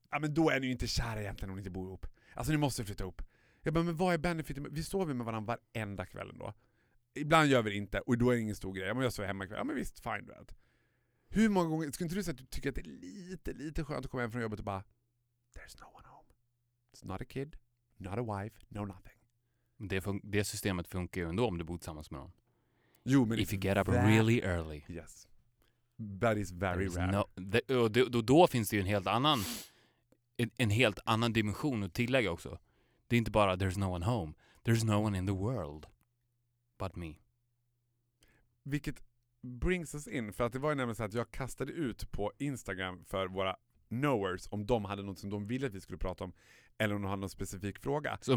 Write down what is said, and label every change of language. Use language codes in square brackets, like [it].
[sv] Då är ni ju inte kära egentligen om ni inte bor ihop. Alltså ni måste flytta ihop. Jag bara, men vad är benefiten? Vi sover med varandra varenda kväll då. Ibland gör vi det inte. Och då är det ingen stor grej. Ja, men jag sover hemma kväll. Ja, men visst, [en] fine that. [sv] Hur många gånger, skulle inte du säga att du tycker att det är lite skönt att komma hem från jobbet och bara, [en] there's no one home. It's not a kid, not a wife, no nothing. [sv] Det systemet funkar ju ändå om du bor tillsammans med någon. Jo, men [en] if you get up really early. Yes. That is very rare. [sv] Då finns det ju en helt annan dimension att tillägga också. Det är inte bara [en] there's no one home. There's no one in the world but me. [sv] Vilket [en] brings us in. [sv] För att det var ju nämligen så att jag kastade ut på Instagram för våra knowers om de hade något som de ville att vi skulle prata om. Eller om de hade någon specifik fråga.